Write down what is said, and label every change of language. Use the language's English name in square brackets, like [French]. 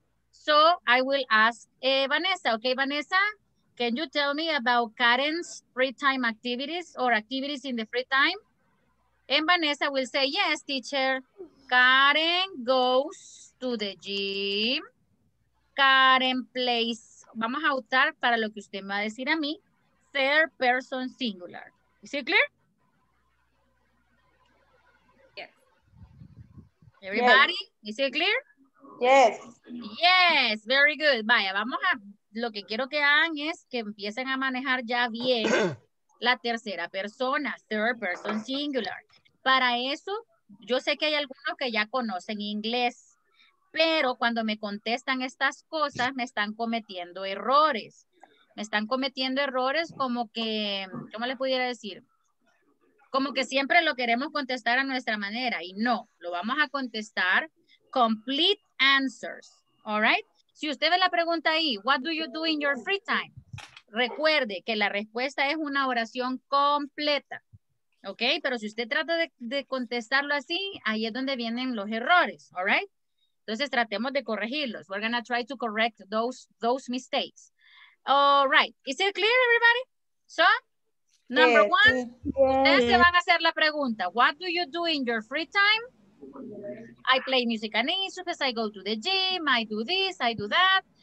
[English] So, I will ask Vanessa, okay, Vanessa, can you tell me about Karen's free time activities or activities in the free time? And Vanessa will say, yes, teacher, Karen goes to the gym. Karen plays. [Spanish] Vamos a usar para lo que usted me va a decir a mí. [English] Third person singular. Is it clear? Yes. Everybody? Yes. Is it clear? Yes. Yes. Very good. [Spanish] Vaya, vamos a. Lo que quiero que hagan es que empiecen a manejar ya bien la tercera persona. [English] Third person singular. [Spanish] Para eso, yo sé que hay algunos que ya conocen inglés. Pero cuando me contestan estas cosas, me están cometiendo errores. Me están cometiendo errores como que, ¿cómo les pudiera decir? Como que siempre lo queremos contestar a nuestra manera. Y no, lo vamos a contestar [English] complete answers. All right? [Spanish] Si usted ve la pregunta ahí, [English] what do you do in your free time? [Spanish] Recuerde que la respuesta es una oración completa. ¿Ok? Pero si usted trata de contestarlo así, ahí es donde vienen los errores. [English] All right? [Spanish] Entonces, tratemos de corregirlos. [English] We're going to try to correct those mistakes. All right. Is it clear, everybody? So, number one, [Spanish] ustedes se van a hacer la pregunta. [English] What do you do in your free time? I play music and instruments. I go to the gym. I do this. I do that.